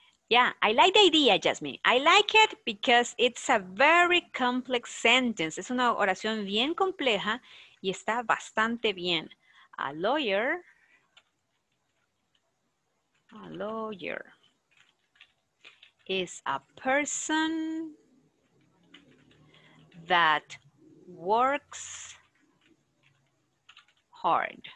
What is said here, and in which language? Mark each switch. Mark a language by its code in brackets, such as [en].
[en] Yeah, I like the idea, Jasmine. I like it because it's a very complex sentence. [es] Es una oración bien compleja y está bastante bien. [en] A lawyer is a person that works hard.